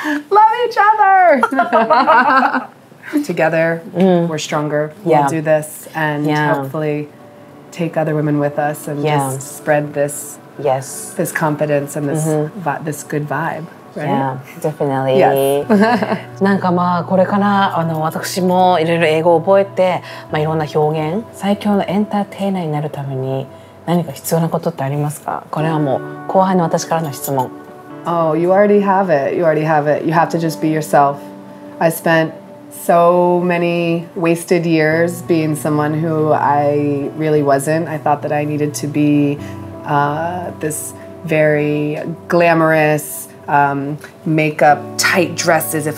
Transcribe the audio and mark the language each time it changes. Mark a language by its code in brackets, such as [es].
[en] Love each other! Together, we're stronger. We'll do this and hopefully take other women with us and just spread this, this confidence and this, this good vibe. Right? Yeah, definitely. Yes. [ja] なんかまあこれからあの私もいろいろ英語を覚えて、まあ、いろんな表現、最強のエンターテイナーになるために何か必要なことってありますか？これはもう後輩の私からの質問。 [en] Oh, you already have it. You already have it. You have to just be yourself. I spentSo many wasted years being someone who I really wasn't. I thought that I needed to be this very glamorous makeup, tight dresses.